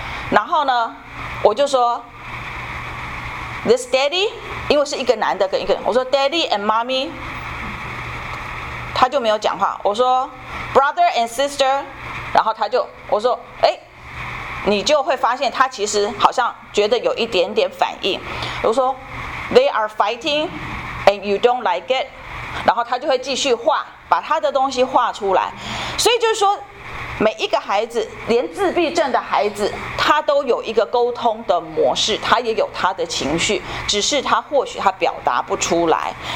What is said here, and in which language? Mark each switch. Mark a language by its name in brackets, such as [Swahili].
[Chinese] 然后呢，我就说 ， [English] This daddy， [Chinese] 因为是一个男的跟一个人，我说 [English] Daddy and mommy， [Chinese] 他就没有讲话。我说 [English] Brother and sister， [Chinese] 然后他就我说哎。你就会发现他其实好像觉得有一点点反应。 [English] 我说 They are fighting。 And you don't like it， [Chinese] 然后他就会继续画，把他的东西画出来。所以就是说，每一个孩子，连自闭症的孩子，他都有一个沟通的模式，他也有他的情绪，只是他或许他表达不出来。